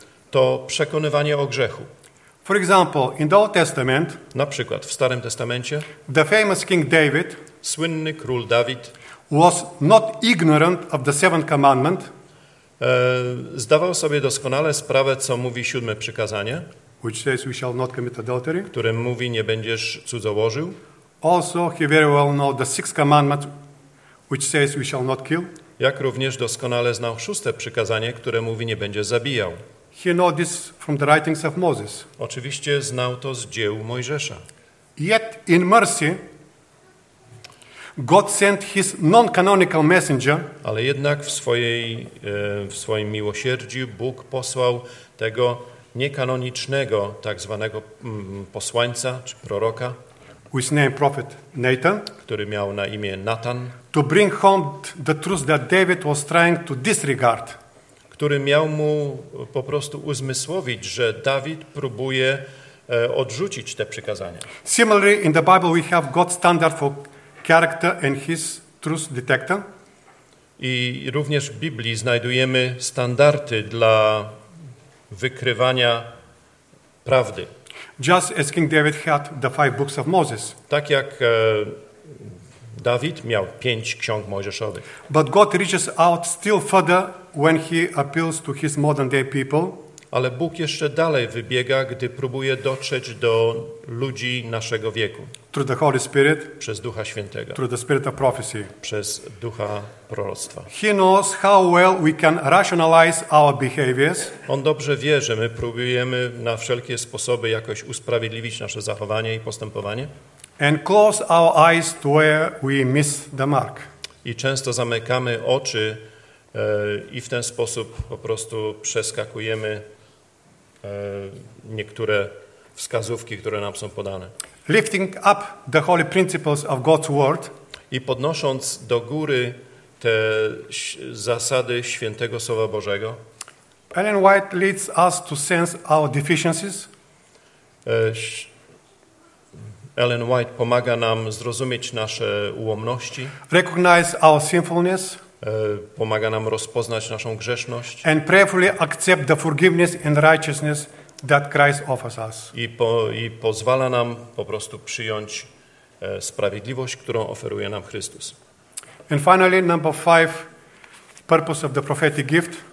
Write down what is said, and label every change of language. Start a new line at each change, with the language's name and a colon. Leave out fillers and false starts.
Polish: To przekonywanie o grzechu.
English: For example, in the Old Testament,
Polish: na przykład w Starym Testamencie,
English: the famous King David,
Polish: słynny król Dawid,
English: was not ignorant of the seventh commandment.
Polish: Zdawał sobie doskonale sprawę, co mówi siódme przykazanie,
English: which says we shall not commit adultery,
Polish: które mówi, nie będziesz cudzołożył.
English: Also he very well know the sixth commandment, which says we shall not kill.
Polish: Jak również doskonale znał szóste przykazanie, które mówi, nie będziesz zabijał.
English: He know this from the writings of Moses.
Polish: Oczywiście znał to z dzieł Mojżesza.
English: Yet in mercy, God sent his non-canonical messenger.
Polish: Ale jednak w swoim miłosierdziu Bóg posłał tego niekanonicznego, tak zwanego posłańca czy proroka,
English: with name prophet Nathan,
Polish: który miał na imię Nathan,
English: to bring home the truth that David was trying to disregard,
Polish: który miał mu po prostu uzmysłowić, że Dawid próbuje odrzucić te przykazania.
English: Similarly, in the Bible we have God's standard for character and his truth detector.
Polish: I również w Biblii znajdujemy standardy dla wykrywania prawdy.
English: Just as King David had the five books of Moses.
Polish: Tak jak Dawid miał pięć ksiąg mojżeszowych.
English: But God reaches out still further when he appeals to his modern day people.
Polish: Ale Bóg jeszcze dalej wybiega, gdy próbuje dotrzeć do ludzi naszego wieku.
English: Through the Holy Spirit,
Polish: przez Ducha Świętego.
English: Through the Spirit of Prophecy,
Polish: przez Ducha Proroctwa.
English: He knows how well we can rationalize our behaviors.
Polish: On dobrze wie, że my próbujemy na wszelkie sposoby jakoś usprawiedliwić nasze zachowanie i postępowanie.
English: And close our eyes to where we miss the mark.
Polish: I często zamykamy oczy i w ten sposób po prostu przeskakujemy niektóre wskazówki, które nam są podane.
English: Lifting up the holy principles of God's word,
Polish: i podnosząc do góry te zasady świętego Słowa Bożego,
English: Ellen White leads us to sense our deficiencies.
Polish: Ellen White pomaga nam zrozumieć nasze ułomności.
English: Recognize our sinfulness.
Polish: Pomaga nam rozpoznać naszą grzeszność.
English: And prayerfully accept the forgiveness and righteousness that Christ offers us.
Polish: I pozwala nam po prostu przyjąć sprawiedliwość, którą oferuje nam Chrystus.
English: And finally, number five, purpose of the prophetic gift.